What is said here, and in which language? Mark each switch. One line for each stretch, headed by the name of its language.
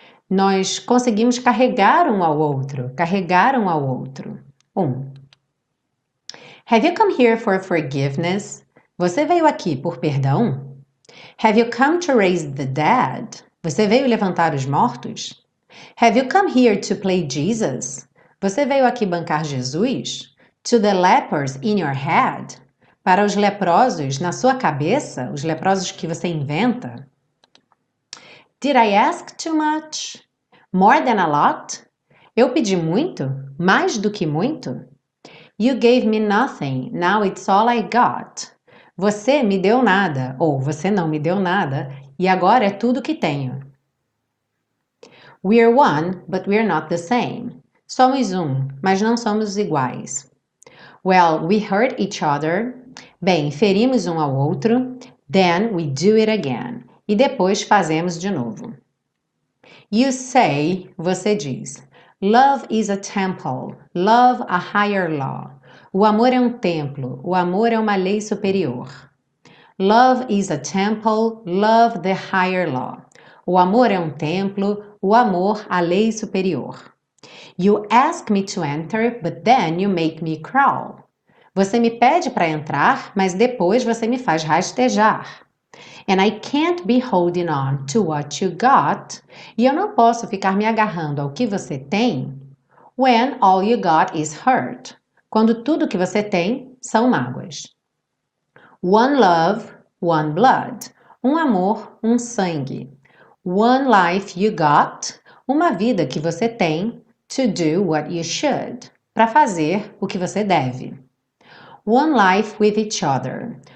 Portuguese: Nós conseguimos carregar um ao outro, carregar um ao outro. Um.
English: Have you come here for forgiveness?
Portuguese: Você veio aqui por perdão?
English: Have you come to raise the dead?
Portuguese: Você veio levantar os mortos?
English: Have you come here to play Jesus?
Portuguese: Você veio aqui bancar Jesus?
English: To the lepers in your head?
Portuguese: Para os leprosos na sua cabeça, os leprosos que você inventa?
English: Did I ask too much? More than a lot?
Portuguese: Eu pedi muito? Mais do que muito?
English: You gave me nothing, now it's all I got.
Portuguese: Você me deu nada, ou você não me deu nada, e agora é tudo que tenho.
English: We are one, but we are not the same.
Portuguese: Somos um, mas não somos iguais.
English: Well, we hurt each other.
Portuguese: Bem, ferimos um ao outro,
English: then we do it again.
Portuguese: E depois fazemos de novo.
English: You say,
Portuguese: você diz,
English: love is a temple, love a higher law.
Portuguese: O amor é um templo, o amor é uma lei superior.
English: Love is a temple, love the higher law.
Portuguese: O amor é um templo, o amor a lei superior.
English: You ask me to enter, but then you make me crawl.
Portuguese: Você me pede para entrar, mas depois você me faz rastejar.
English: And I can't be holding on to what you got.
Portuguese: E eu não posso ficar me agarrando ao que você tem.
English: When all you got is hurt.
Portuguese: Quando tudo que você tem são mágoas.
English: One love, one blood.
Portuguese: Um amor, um sangue.
English: One life you got.
Portuguese: Uma vida que você tem.
English: To do what you should.
Portuguese: Para fazer o que você deve.
English: One life with each other.